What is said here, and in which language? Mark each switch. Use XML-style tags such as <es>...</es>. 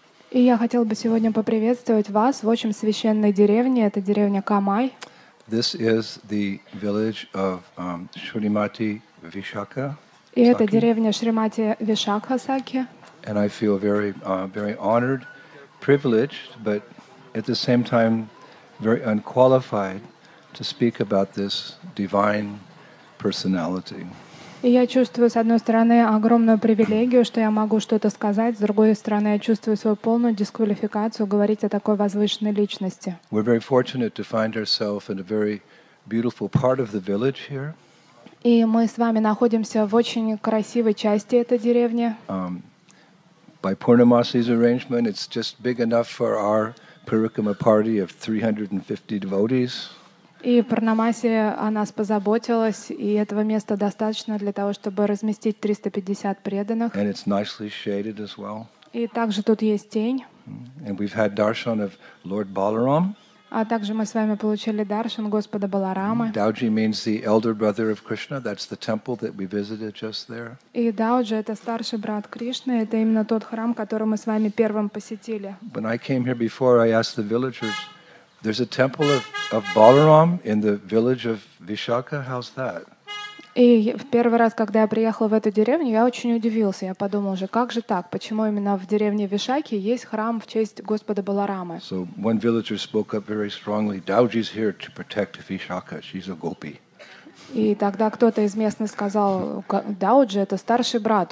<ru>И я хотел бы сегодня поприветствовать вас в очень священной деревне. Это деревня Камай.</ru> <en>This is the village of Shrimati Vishakha.</en> <ru>И это деревня Шримати Вишакха Саки.</ru> <en>And I feel very, very honored, privileged, but at the same time very unqualified to speak about this divine personality.</en> <ru>И я чувствую, с одной стороны, огромную привилегию, что я могу что-то сказать, с другой стороны, я чувствую свою полную дисквалификацию говорить о такой возвышенной личности.</ru> <en>We're very fortunate to find ourselves in a very beautiful part of the village here.</en> <ru>И мы с вами находимся в очень красивой части этой деревни.</ru> <en>By Purnamasi's arrangement, it's just big enough for our Purukkama party of 350 devotees.</en> <ru>И Пурнамаси о нас позаботилась, и этого места достаточно для того, чтобы разместить 350 преданных.</ru> <en>And it's nicely shaded as well.</en> <ru>И также тут есть тень.</ru> <en>And we've had darshan of Lord Balaram.</en> <ru>А также мы с вами получили даршан Господа Баларама.</ru> <en>Dauji means the elder brother of Krishna. That's the temple that we visited just there.</en> <ru>И Dauji — это старший брат Кришны. Это именно тот храм, который мы с вами первым посетили.</ru> <en>When I came here before, I asked the villagers, there's a temple of Balaram in the village of Vishakha. How's that?</en> <ru>И в первый раз, когда я приехала в эту деревню, я очень удивился. Я подумал уже, как же так? Почему именно в деревне Вишакхи есть храм в честь Господа Баларамы?</ru> <en>So one villager spoke up very strongly. Dauji's here to protect Vishakha. She's a gopi.</en> <ru>И тогда кто-то из местных сказал: Dauji — это старший брат.</ru>